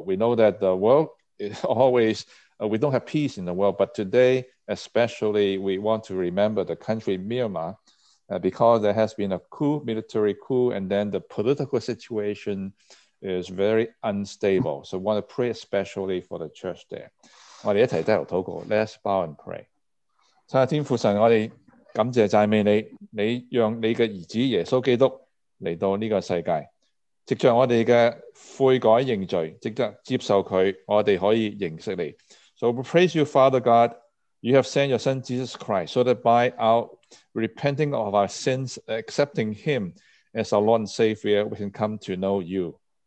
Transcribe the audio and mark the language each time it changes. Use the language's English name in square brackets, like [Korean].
[English] We know that the world is always, we don't have peace in the world, but today, especially, we want to remember the country Myanmar, because there has been a coup, military coup, and then the political situation is very unstable. So I want to pray especially for the church there. [Chinese] 我们一起低头祷告, [English] let's bow and pray. [Chinese] 亲爱的天父神, 我们感谢赞美你, 你让你的儿子耶稣基督来到这个世界, 藉着我们的悔改认罪, 藉着接受祂, 我们可以认识你。 [English] So we praise you, Father God, you have sent your son Jesus Christ so that by our repenting of our sins, accepting him as our Lord and Savior, we can come to know you.